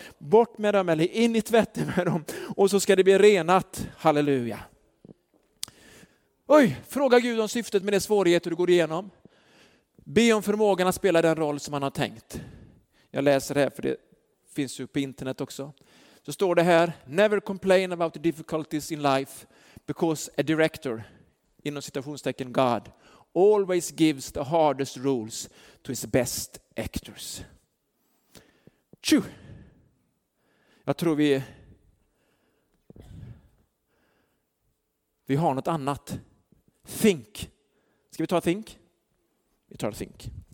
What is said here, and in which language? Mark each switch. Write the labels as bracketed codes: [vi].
[sv] Bort med dem eller in i tvätten med dem. Och så ska det bli renat. Halleluja. Oj, fråga Gud om syftet med det svårigheter du går igenom. Be om förmågan att spela den roll som man har tänkt. Jag läser det här för det finns ju på internet också. Så står det här. [en] Never complain about the difficulties in life because a director, [sv] inom citationstecken [en] God, always gives the hardest rules to his best actors. [sv] Tju! Jag tror vi har något annat. Think. Ska vi ta think? Vi tar think.